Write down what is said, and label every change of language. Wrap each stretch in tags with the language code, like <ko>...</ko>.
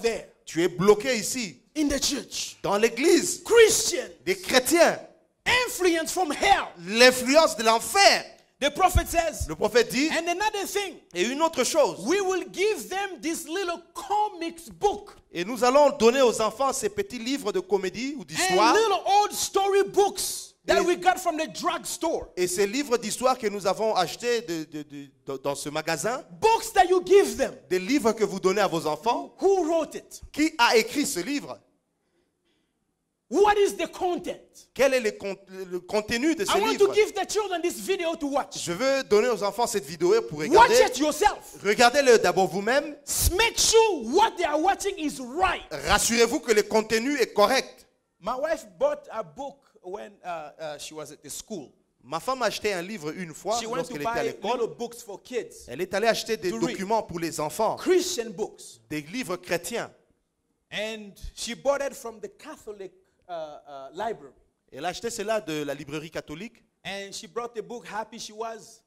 <en>There.</en> <fr>Tu es bloqué ici.</fr> <en>In the church.</en> <fr>Dans l'église.</fr> <en>Christians.</en> <fr>Des chrétiens.</fr> <en>Influence from hell.</en> <fr>L'influence de l'enfer.</fr> <en>The prophet says.</en> <fr>Le prophète dit.</fr> <en>And another thing.</en> <fr>Et une autre chose.</fr> <en>We will give them this little comics book.</en> <fr>Et nous allons donner aux enfants ces petits livres de comédie ou d'histoire.</fr> <en>And little old story books that we got from the drugstore.</en> <fr>Et ces livres d'histoire que nous avons achetés dans ce magasin.</fr> <en>Books that you give them.</en> <fr>Des livres que vous donnez à vos enfants.</fr> <en>Who wrote it?</en> <fr>Qui a écrit ce livre?</fr> <en>What is the content?</en> <fr>Quel est le contenu de ce livre?</fr> <en>I want to give the children this video to watch.</en> <fr>Je veux donner aux enfants cette vidéo pour regarder.</fr> <en>Watch it yourself.</en> <fr>Regardez-le d'abord vous-même.</fr> <en>Make sure what they are watching is right.</en> <fr>Rassurez-vous que le contenu est correct.</fr> <en>My wife bought a book when she was at the school.</en> <fr>Ma femme a acheté un livre une fois</fr> <en>she</en> <fr>lorsqu'elle était à l'école.</fr> <en>Books for kids.</en> <fr>Elle est allée acheter des documents</fr> <en>read.</en> <fr>Pour les enfants.</fr> <en>Christian books.</en> <fr>Des livres chrétiens.</fr> <en>And she bought it from the Catholic library.</en> <fr>Elle a acheté cela de la librairie catholique.</fr> <en>And she brought the book, happy she was.</en>